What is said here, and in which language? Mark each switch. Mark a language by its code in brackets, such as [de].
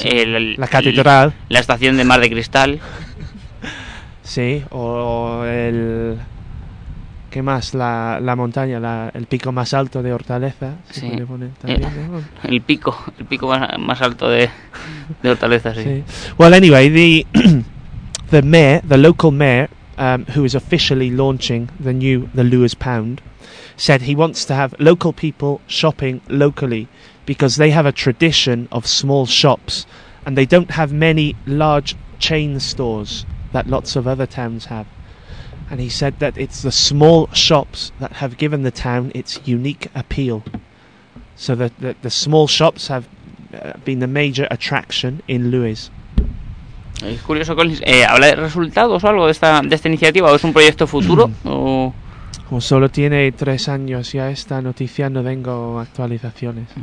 [es] la catedral, la estación de Mar de Cristal. Sí, o el... ¿Qué más? La montaña, el pico más alto de Hortaleza. Sí, se puede poner también, el pico más alto de Hortaleza, sí. [en] Well, anyway, the mayor, the local mayor, who is officially launching the new Lewis Pound, said he wants to have local people shopping locally because they have a tradition of small shops and they don't have many large chain stores that lots of other towns have. And he said that it's the small shops that have given the town its unique appeal. So the small shops have been the major attraction in Lewis. [es] Es curioso, Collins. ¿Habla de resultados o algo de esta iniciativa? ¿O es un proyecto futuro? Como solo tiene 3 años ya esta noticia, no tengo actualizaciones.